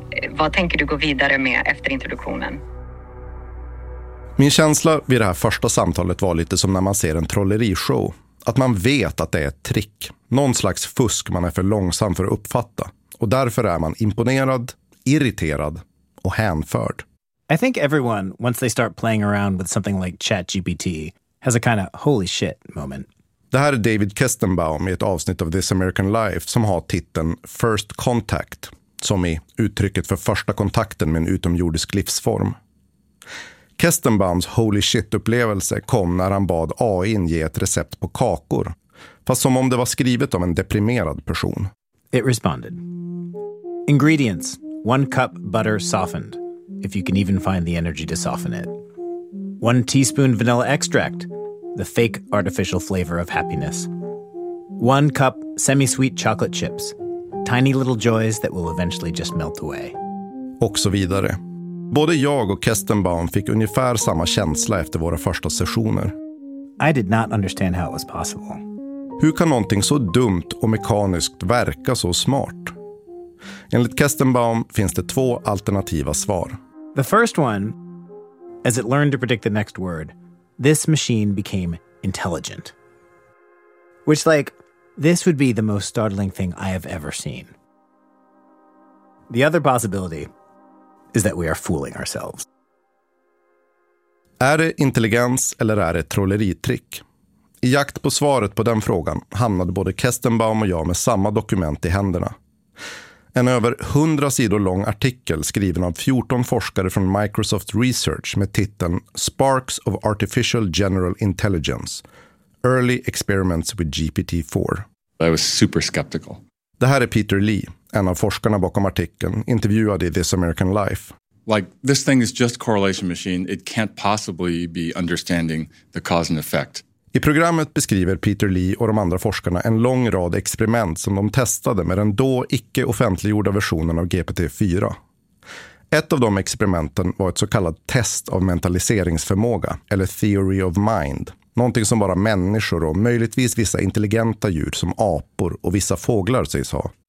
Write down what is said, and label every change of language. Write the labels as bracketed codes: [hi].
[sv] Vad tänker du gå vidare med efter introduktionen? Min känsla vid det här första samtalet var lite som när man ser en trollerishow. Att man vet att det är ett trick. Någon slags fusk man är för långsam för att uppfatta. Och därför är man imponerad, irriterad och hänförd. [en] I think everyone, once they start playing around with something like ChatGPT, has a kind of holy shit moment. [sv] Det här är David Kestenbaum i ett avsnitt av This American Life som har titeln First Contact, som är uttrycket för första kontakten med en utomjordisk livsform. Kestenbaums holy shit-upplevelse kom när han bad AI ge ett recept på kakor, fast som om det var skrivet av en deprimerad person. [en] It responded. Ingredients: 1 cup butter softened, if you can even find the energy to soften it. 1 teaspoon vanilla extract, the fake artificial flavor of happiness. 1 cup semi-sweet chocolate chips, tiny little joys that will eventually just melt away. [sv] Och så vidare. Både jag och Kestenbaum fick ungefär samma känsla efter våra första sessioner. [en] I did not understand how it was possible. [sv] Hur kan någonting så dumt och mekaniskt verka så smart? Enligt Kestenbaum finns det 2 alternativa svar. [en] The first one, as it learned to predict the next word, this machine became intelligent. Which, like, this would be the most startling thing I have ever seen. The other possibility is that we are fooling ourselves. [sv] Är det intelligens eller är det ett trolleritrick? I jakt på svaret på den frågan hamnade både Kestenbaum och jag med samma dokument i händerna. En över 100 sidor lång artikel skriven av 14 forskare från Microsoft Research med titeln Sparks of Artificial General Intelligence – Early Experiments with GPT-4. [en] I was super skeptical. [sv] Det här är Peter Lee, en av forskarna bakom artikeln, intervjuad i This American Life. [en] Like, this thing is just correlation machine. It can't possibly be understanding the cause and effect. [sv] I programmet beskriver Peter Lee och de andra forskarna en lång rad experiment som de testade med den då icke-offentliggjorda versionen av GPT-4. Ett av de experimenten var ett så kallat test av mentaliseringsförmåga, eller theory of mind. Någonting som bara människor och möjligtvis vissa intelligenta djur som apor och vissa fåglar sägs ha.